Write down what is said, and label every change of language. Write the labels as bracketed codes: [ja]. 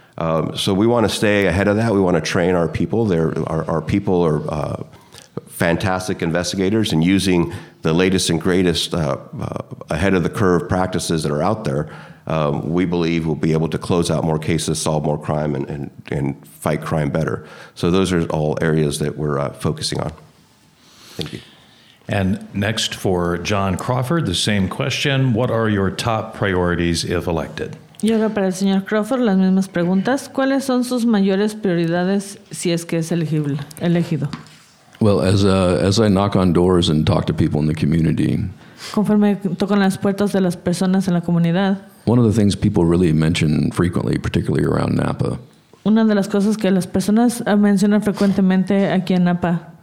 [en] So we want to stay ahead of that. We want to train our people. Our people are fantastic investigators, and using the latest and greatest ahead-of-the-curve practices that are out there, we believe we'll be able to close out more cases, solve more crime, and fight crime better. So those are all areas that we're focusing on. Thank you. And next for John Crawford, the same question. What are your top priorities if elected? [es] Y ahora para el señor Crawford, las mismas preguntas. ¿Cuáles son sus mayores prioridades si es que es elegido? [en] Well, as I knock on doors and talk to people in the community, [es] conforme tocan las puertas de las personas en la comunidad, [en] one of the things people really mention frequently, particularly around Napa, [es] una de las cosas que las personas mencionan frecuentemente aquí en Napa,